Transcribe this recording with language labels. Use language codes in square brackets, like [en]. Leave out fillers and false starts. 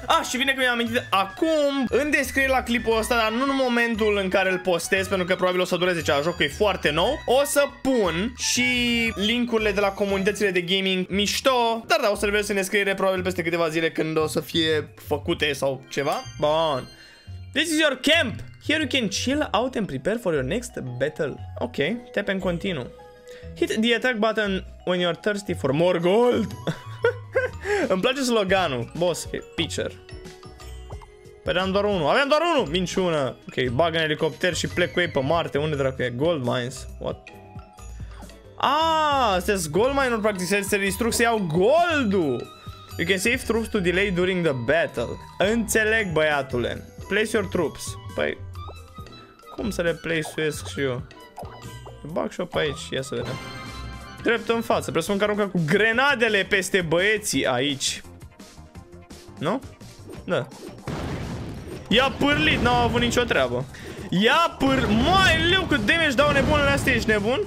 [ro] Și bine că mi-am amintit acum, în descriere la clipul ăsta, dar nu în momentul în care îl postez, pentru că probabil o să dureze ceva, jocul e foarte nou, o să pun și linkurile de la comunitățile de gaming mișto, dar da, o să le vezi în descriere probabil peste câteva zile când o să fie făcute sau ceva. [en] Bun. This is your camp. Here you can chill out and prepare for your next battle. Ok, tap and continue. Hit the attack button when you're thirsty for more gold. [ro] Îmi place sloganul. Boss, pitcher. Păi am doar unul. Aveam doar unul. Minciună. Ok, bag în elicopter și plec cu ei pe Marte. Unde dracu e? [en] Gold mines. What? [ro] Astea-s gold mine-uri, practic. Se distrug să iau gold-ul. [en] You can save troops to delay during the battle. [ro] Înțeleg, băiatule. [en] Place your troops. [ro] Păi, cum să le place-uiesc și eu? Bag și-o pe aici, ia să vedem. Drept în față, presupun că aruncă cu grenadele peste băieții aici. Nu? Da. I-a pârlit, n-au avut nicio treabă. Mai leu, cât damage dau nebunele astea, ești nebun?